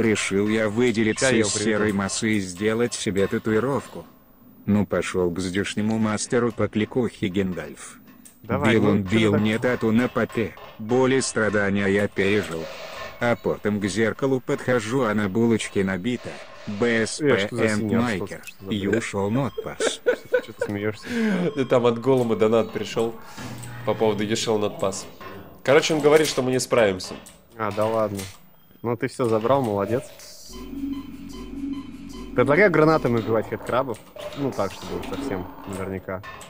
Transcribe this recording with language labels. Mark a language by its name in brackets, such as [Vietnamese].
[Russian] Решил я выделиться из серой массы и сделать себе татуировку. Ну пошел к здешнему мастеру по кликухе Гендальф. Давай, бил он, бил мне тату на попе. Боли и страдания я пережил. А потом к зеркалу подхожу, а на булочке набито. [English] BSP and Майкер. You shall not pass. [Russian] Что ты смеешься? Там от Голума донат пришел по поводу [English] You shall not pass. [Russian] Короче, он говорит, что мы не справимся. А, да ладно. Ну ты все забрал, молодец. Предлагаю гранатами убивать хедкрабов. Ну так, чтобы совсем наверняка.